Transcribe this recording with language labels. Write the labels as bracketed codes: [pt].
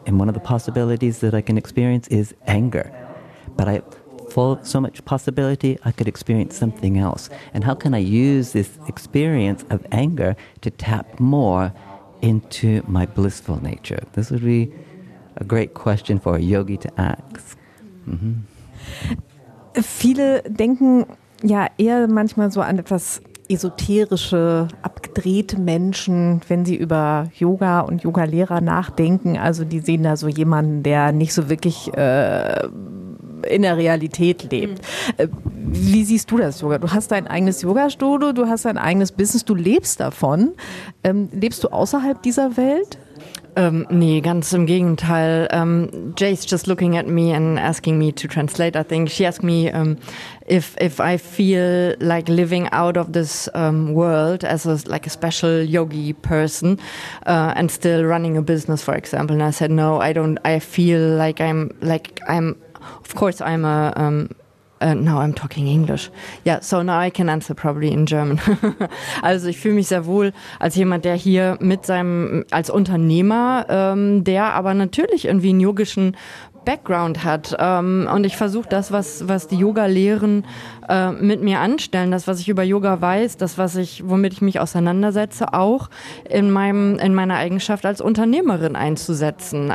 [en] And one of the possibilities that I can experience is anger. But I full of so much possibility, I could experience something else. And how can I use this experience of anger to tap more into my blissful nature? This would be a great question for a yogi to ask. Mm-hmm. [de] Viele denken ja eher manchmal so an etwas esoterische, abgedrehte Menschen, wenn sie über Yoga und Yoga-Lehrer nachdenken. Also die sehen da so jemanden, der nicht so wirklich in der Realität lebt. Wie siehst du das Yoga? Du hast dein eigenes Yoga-Studio, du hast dein eigenes Business, du lebst davon. Lebst du außerhalb dieser Welt? Nee, ganz im Gegenteil. [en] Jay's just looking at me and asking me to translate. I think she asked me if I feel like living out of this world as a special yogi person and still running a business, for example. And I said no, I don't. I feel like I'm of course, I'm a. Now I'm talking English. Yeah, so now I can answer probably in German. [de] Also ich fühle mich sehr wohl als jemand, der hier mit seinem als Unternehmer, der aber natürlich irgendwie einen yogischen Background hat. Und ich versuche das, was die Yoga-Lehren mit mir anstellen, das, was ich über Yoga weiß, das, was ich, womit ich mich auseinandersetze, auch in meiner Eigenschaft als Unternehmerin einzusetzen.